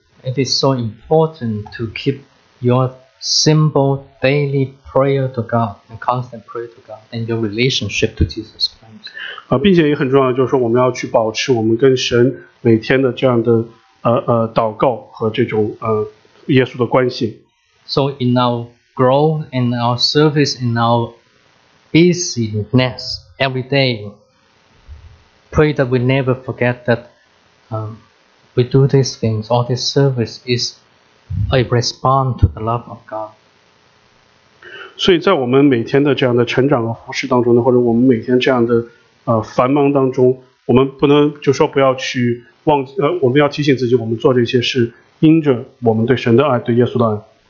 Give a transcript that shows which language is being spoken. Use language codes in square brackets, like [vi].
[en] It is so important to keep your simple daily prayer to God, and constant prayer to God, and your relationship to Jesus Christ. [zh] 并且也很重要，就是说我们要去保持我们跟神每天的这样的祷告和这种耶稣的关系。 [en] So in our growth, in our service, in our busyness, every day. Pray that we never forget that we do these things, all this service is a response to the love of God. [zh] 所以在我们每天的这样的成长和服事当中呢, 或者我们每天这样的, 繁忙当中, 我们不能就说不要去忘记, 我们要提醒自己, 我们做这些事, 因着我们对神的爱, 对耶稣的爱。